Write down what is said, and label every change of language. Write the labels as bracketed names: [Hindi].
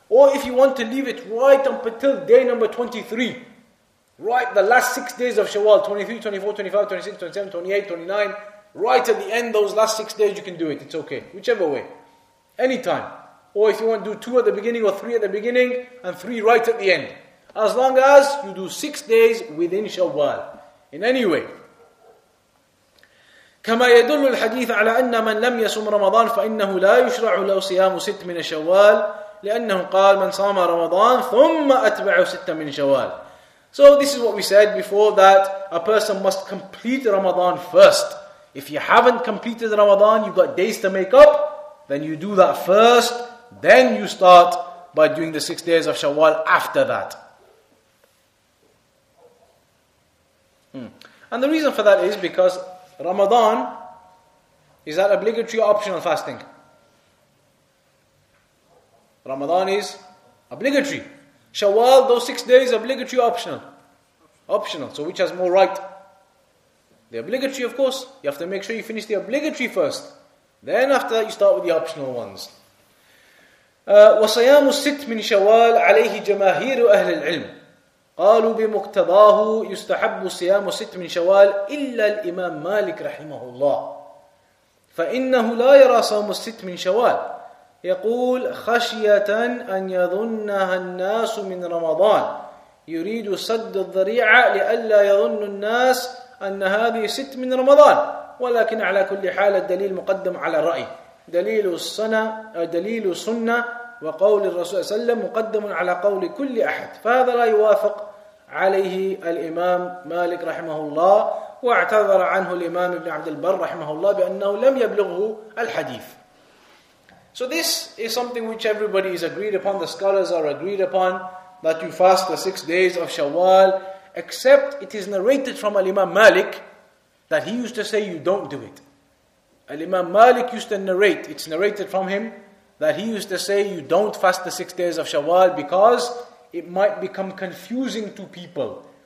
[English] Or if you want to leave it right up until day number 23, right the last 6 days of Shawwal, 23, 24, 25, 26, 27, 28, 29, right at the end, those last 6 days, you can do it. It's okay. Whichever way. Anytime. Or if you want to do two at the beginning or three at the beginning, and three right at the end. As long as you do 6 days within Shawwal. In any way. [Arabic] كما يدل الحديث على أن من لم يصوم رمضان فإنه لا يشرع له صيام ست من شوال لأنه قال من صام رمضان ثم أتبع ست من شوال. [English] So this is what we said before, that a person must complete Ramadan first. If you haven't completed Ramadan, you've got days to make up, then you do that first, then you start by doing the 6 days of Shawwal after that. And the reason for that is because Ramadan is that obligatory or optional fasting? Ramadan is obligatory. Shawwal, those 6 days, obligatory or optional? Optional. So which has more right? The obligatory, of course. You have to make sure you finish the obligatory first. Then after that, you start with the optional ones. [Arabic] وَصَيَامُ السِّتْ مِنْ شَوَالْ عَلَيْهِ جَمَاهِيرُ أَهْلِ الْعِلْمِ قالوا بمقتضاه يستحب صيام ست من شوال إلا الإمام مالك رحمه الله فإنه لا يرى صوم الست من شوال يقول خشية أن يظنها الناس من رمضان يريد سد الذريعة لئلا يظن الناس أن هذه ست من رمضان ولكن على كل حال الدليل مقدم على الرأي دليل السنة دليل السنة وقول الرسول صلى الله عليه وسلم مقدم على قول كل أحد فهذا لا يوافق عليه الإمام مالك رحمه الله واعتذر عنه الإمام ابن عبد البر رحمه الله بأنه لم يبلغه الحديث. [English] So this is something which everybody is agreed upon, the scholars are agreed upon, that you fast the 6 days of Shawwal, except it is narrated from Al-Imam Malik that he used to say you don't do it. Al-Imam Malik used to narrate, it's narrated from him, that he used to say you don't fast the 6 days of Shawwal because it might become confusing to people.